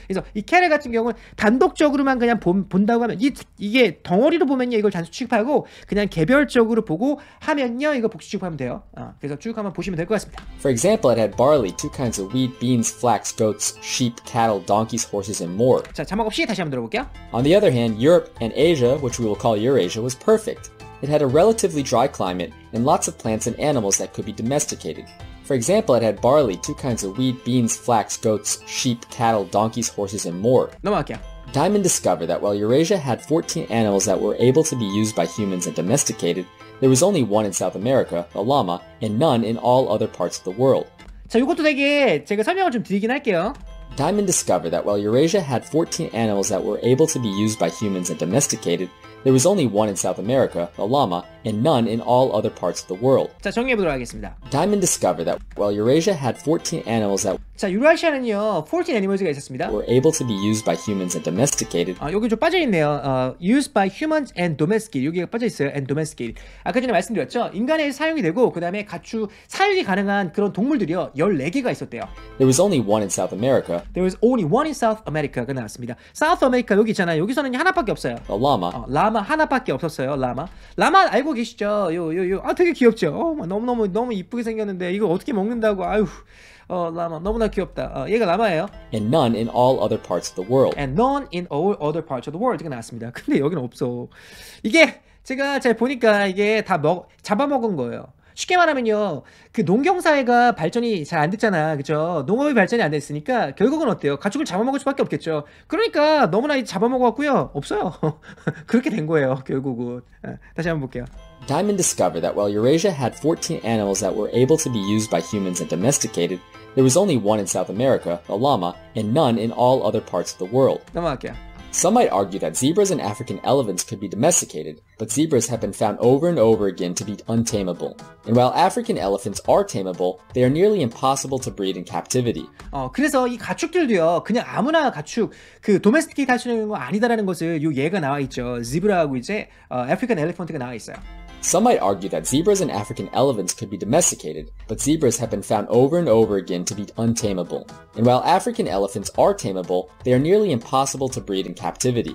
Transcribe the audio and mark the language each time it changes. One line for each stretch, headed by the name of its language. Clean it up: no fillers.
Korean: 그래서 이 cattle 같은 경우는 단독적으로만 그냥 본다고 하면 이게 덩어리로 보면요 이걸 단수 취급하고 그냥 개별적으로 보고 하면요 이거 복수 취급하면 돼요. 그래서 쭉 한번 보시면 될 것 같습니다.
English: For example, it had barley, two kinds of wheat, beans, flax, goats, sheep, cattle, donkeys, horses, and more.
Korean: 자, 자막 없이 다시 한번 들어볼게요.
English: On the other hand, Europe and Asia, which we will call Eurasia, was perfect. It had a relatively dry climate and lots of plants and animals that could be domesticated. For example, it had barley, two kinds of wheat, beans, flax, goats, sheep, cattle, donkeys, horses, and more.
Korean: 넘어갈게요.
English: Diamond discovered that while Eurasia had 14 animals that were able to be used by humans and domesticated, there was only one in South America, the llama, and none in all other parts of the world.
Korean: 자, 이것도 되게 제가 설명을 좀 드리긴 할게요.
English: Diamond discovered that while Eurasia had 14 animals that were able to be used by humans and domesticated, there was only one in South America, the llama, and none in all other parts of the world.
Korean: 자, 정리해 보도록 하겠습니다.
English: Diamond discovered that while Eurasia had 14 animals that
Korean: 자, 유라시아는요, 14 animals가 있었습니다.
English: were able to be used by humans and domesticated.
Korean: 여기 좀 빠져 있네요.
English: Used by humans and domesticated.
Korean: 여기가 빠져 있어요. And domesticated. 아까 전에 말씀드렸죠? 인간에 사용이 되고 그다음에 가축 사육이 가능한 그런 동물들이요. 14개가 있었대요.
English: There was only one in South America. There was only one in South America가
Korean: 나왔습니다. South America 여기 있잖아요. 여기서는 하나밖에 없어요.
English: The llama.
Korean: 라마 하나밖에 없었어요. 라마. 라마 알고 계시죠? 요. 되게 귀엽죠? 너무 이쁘게 생겼는데 이거 어떻게 먹는다고. 아유. 라마 너무나 귀엽다. 얘가 라마예요.
English: And none in all other parts of the world. And none in all other parts of the world가
Korean: 나왔습니다. 근데 여기는 없어. 이게 제가 잘 보니까 이게 다 잡아먹은 거예요. 쉽게 말하면요, 그 농경사회가 발전이 잘 안 됐잖아, 그죠? 농업이 발전이 안 됐으니까 결국은 어때요? 가축을 잡아먹을 수밖에 없겠죠. 그러니까 너무나 잡아먹었고요, 없어요. 그렇게 된 거예요, 결국은. 다시 한번 볼게요.
English: Diamond discovered that while Eurasia had 14 animals that were able to be used by humans and domesticated, there was only one in South America, the llama, and none in all other parts of the world. Some might argue that zebras and African elephants could be domesticated, but zebras have been found over and over again to be untamable. And while African elephants are tameable, they are nearly impossible to breed in captivity.
Korean: 그래서 이 가축들도요, 그냥 아무나 가축, 그 도메스틱 할 수 있는 거 아니다라는 것을 요 예가 나와 있죠. 지브라하고 이제 African elephant가 나와 있어요.
English: Some might argue that zebras and African elephants could be domesticated, but zebras have been found over and over again to be untamable. And while African elephants are tameable, they are nearly impossible to breed in captivity.